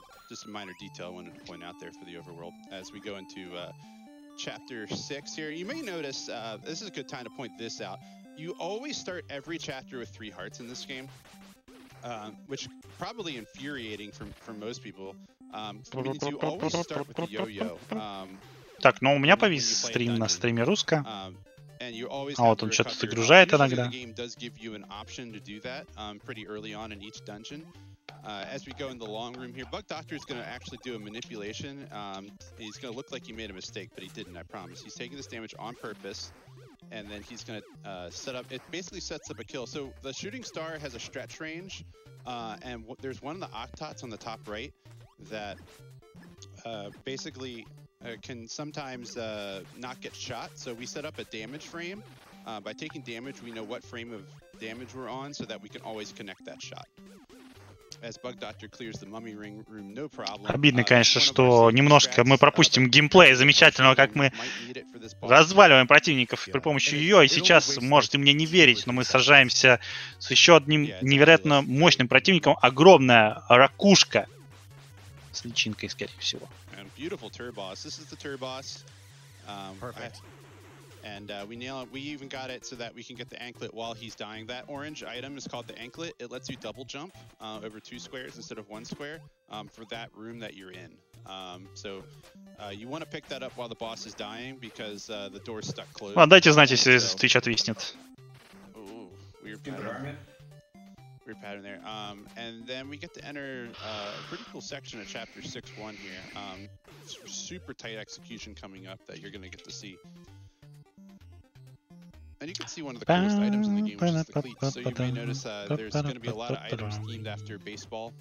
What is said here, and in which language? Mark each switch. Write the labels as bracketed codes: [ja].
[en] Just a minor detail I wanted to point out there for the overworld as we go into chapter 6 here. You may notice, this is a good time to point this out, you always start every chapter with 3 hearts in this game, which probably infuriating for most people, means you always start with the yo-yo. [ru] Так, ну у меня повис стрим на стриме Русско. А вот он что-то загружает иногда. [en] The game does give you an option to do that pretty early on in each dungeon. As we go in the long room here, Bug Doctor is going to actually do a manipulation. He's going to look like he made a mistake, but he didn't, I promise. He's taking this damage on purpose, and then he's going to set up... It basically sets up a kill. So the Shooting Star has a stretch range, and there's one of the Octots on the top right that basically can sometimes not get shot. So we set up a damage frame. By taking damage, we know what frame of damage we're on so that we can always connect that shot. As Bug Doctor clears the mummy ring room, no problem. [ru] Обидно, конечно, что немножко мы пропустим геймплея замечательного, как мы разваливаем противников при помощи ее. И сейчас, можете мне не верить, но мы сражаемся с еще одним невероятно мощным противником. Огромная ракушка. С личинкой, скорее всего. [en] Beautiful Turboss. This is the Turboss. Perfect. And we nail it. We even got it so that we can get the anklet while he's dying. That orange item is called the anklet. It lets you double jump over 2 squares instead of 1 square for that room that you're in. So you want to pick that up while the boss is dying because the door's stuck closed. [ru] Ладно, дайте знать, если Twitch отвиснет. [en] Weird pattern. Weird pattern there. And then we get to enter a pretty cool section of chapter 6-1 here. Super tight execution coming up that you're going to get to see. And you can see one of the coolest items in the game, which is the cleats. So you may notice there's going to be a lot of items themed after baseball.